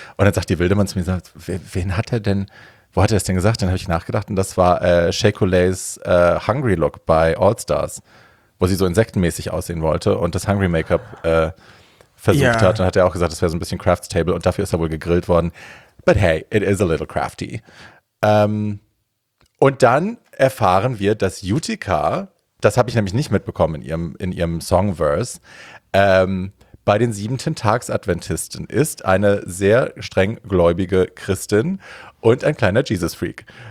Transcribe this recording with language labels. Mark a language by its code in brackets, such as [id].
[de] Und dann sagt die Wildemann zu mir, sagt, wen hat er denn, wo hat er das denn gesagt? Dann habe ich nachgedacht und das war Shea-Coulee's Hungry Look bei All Stars, wo sie so insektenmäßig aussehen wollte und das Hungry Make-up versucht hat. Dann hat er auch gesagt, das wäre so ein bisschen Crafts Table und dafür ist er wohl gegrillt worden. [en] But hey, it is a little crafty. [de] Und dann erfahren wir, dass Utica, das habe ich nämlich nicht mitbekommen in ihrem Songverse, bei den Siebenten-Tags-Adventisten ist eine sehr streng gläubige Christin und ein kleiner Jesus-Freak.